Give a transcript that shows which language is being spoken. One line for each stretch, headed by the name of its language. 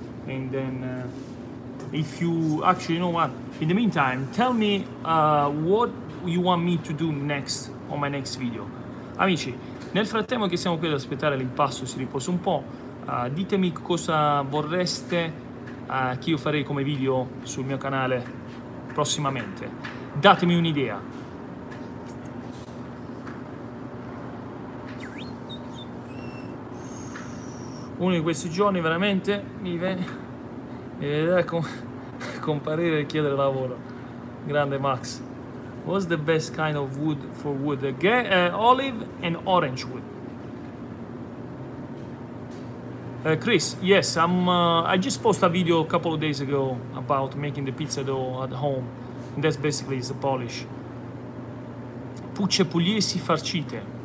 English: And then if you actually, you know what, in the meantime, tell me what you want me to do next on my next video.
Italian: Amici, nel frattempo che siamo qui ad aspettare l'impasto si riposa un po', ditemi cosa vorreste che io farei come video sul mio canale prossimamente. Datemi un'idea. Uno di questi giorni veramente mi viene da comparire e chiedere lavoro. Grande Max.
English: What's the best kind of wood for wood? Olive and orange wood. Chris, yes, I just posted a video a couple of days ago about making the pizza dough at home. And that's basically the polish.
Italian: Pucce pugliesi farcite.